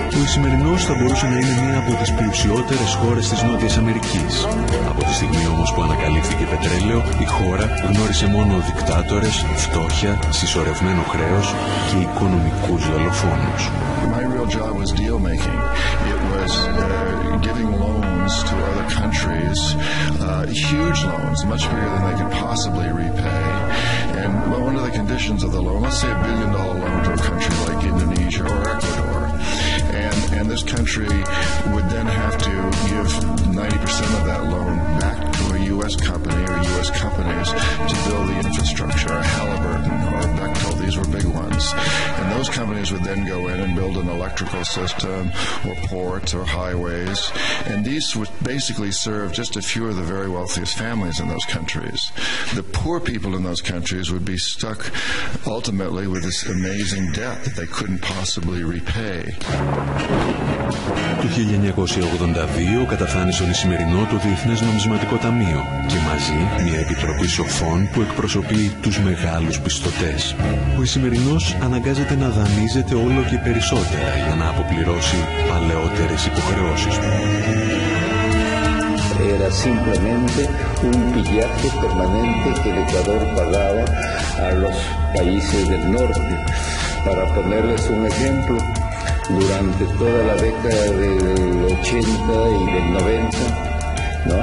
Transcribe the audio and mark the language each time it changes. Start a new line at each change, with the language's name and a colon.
Greek: Σημερινός θα μπορούσε να είναι μία από τις πλουσιότερες χώρες της Νότιας Αμερικής. Από τη στιγμή όμως που ανακαλύφθηκε πετρέλαιο, η χώρα γνώρισε μόνο δικτάτορες, φτώχεια, συσσωρευμένο χρέος και οικονομικούς δολοφόνους.
English: My real job was deal making. It was giving loans to other countries, huge loans, much bigger than they could possibly repay. And well, one of the conditions of the loan, let's say $1 billion loan to a country like Indonesia or Ecuador. And this country would then have to give 90% of that loan back to a U.S. company or U.S. companies to build the infrastructure, Halliburton or Bechtel. These were big ones. And those companies would then go in and build an electrical system or ports or highways. And these would basically serve just a few of the very wealthiest families in those countries. The poor people in those countries would be stuck ultimately with this amazing debt that they couldn't possibly repay.
Greek: Το 1982 καταφάνει στον Ισημερινό το Διεθνές Νομισματικό Ταμείο και μαζί μια επιτροπή σοφών που εκπροσωπεί τους μεγάλους πιστωτές. Ο Ισημερινός αναγκάζεται να δανείζεται όλο και περισσότερα για να αποπληρώσει παλαιότερες υποχρεώσεις του.
Spanish: Era simplemente un pillaje permanente que el Ecuador pagaba a los países del norte. Para ponerles un ejemplo, durante toda la década del 80 y del 90, ¿no?